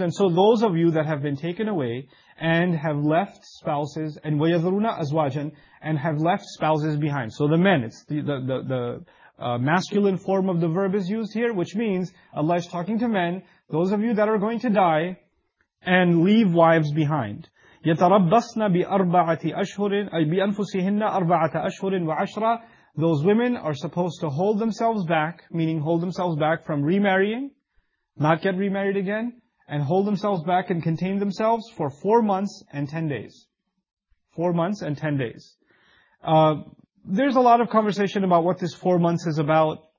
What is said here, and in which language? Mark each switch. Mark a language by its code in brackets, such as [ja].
[en] And so those of you that have been taken away and have left spouses, and [ar] وَيَذَرُونَ أَزْوَاجًا, [en] and have left spouses behind. So the men, it's the masculine form of the verb is used here, which means Allah is talking to men, those of you that are going to die and leave wives behind. [ar] يَتَرَبَّصْنَ بِأَرْبَعَةِ أَشْهُرٍ أي بِأَنفُسِهِنَّ أَرْبَعَةَ أَشْهُرٍ وَعَشْرًا. [en] Those women are supposed to hold themselves back, meaning hold themselves back from remarrying, not get remarried again, and hold themselves back and contain themselves for 4 months and 10 days. 4 months and 10 days. There's a lot of conversation about what this 4 months is about.